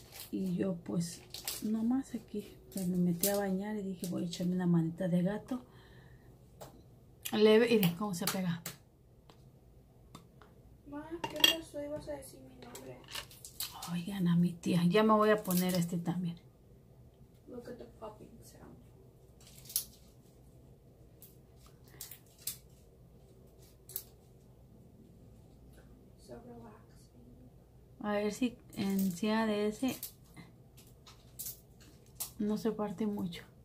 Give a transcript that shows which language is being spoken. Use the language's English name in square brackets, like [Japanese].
[Spanish] Y yo, pues, nomás aquí. Pues me metí a bañar y dije, voy a echarme una manita de gato. Leve, mire cómo se pega. Ma, ¿qué pasó? ¿Ibas a decir mi nombre? Oigan a mi tía. Ya me voy a poner este también. [English] Look at the popping sound. So relaxing. [Spanish] A ver si encima de ese no se parte mucho.